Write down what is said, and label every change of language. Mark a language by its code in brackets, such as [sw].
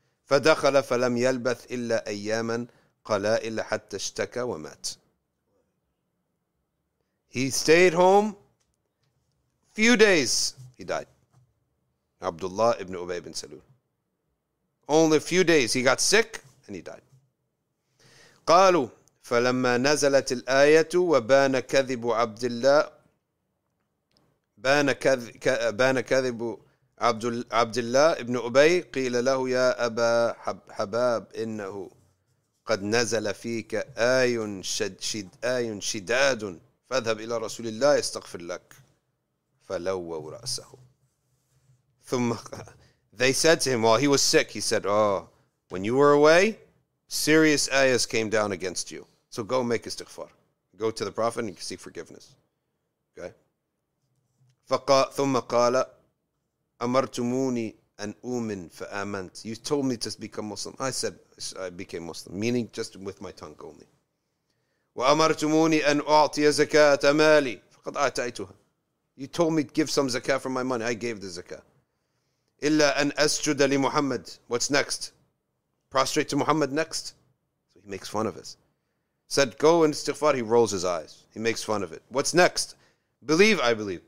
[ar] فَدَخَلَ فَلَمْ يَلْبَثْ إِلَّا أَيَّامًا قَلَائِلَ حَتَّى اشْتَكَى وَمَاتْ. [en] He stayed home. Few days, he died. Abdullah ibn Ubay ibn Salul. Only a few days, he got sick and he died. [ar] قَالُوا فَلَمَّا نَزَلَتِ الْآيَةُ وَبَانَ كَذِبُ عَبْدِ اللَّهِ بان كذب عبد الله ابن أبي قيل له يا أبا حباب إنه قد نزل فيك آي شد آي شداد فاذهب إلى رسول الله يستغفر لك فلوّوا رأسه. [en] ثم they said to him while he was sick, he said, oh, when you were away, serious ayahs came down against you. So go make istighfar. Go to the Prophet and seek forgiveness. Okay? [ar] ثم قال أمرتموني أن أؤمن فآمنت. [en] You told me to become Muslim. I said I became Muslim, meaning just with my tongue only. [ar] وأمرتموني أن أعطي زكاة مالي فقد أعطيتها. [en] You told me to give some zakah from my money. I gave the zakah. [ar] إلا أن أسجد لمحمد. [en] What's next? Prostrate to Muhammad next? So he makes fun of us. Said go and istighfar. He rolls his eyes. He makes fun of it. What's next? Believe, I believe.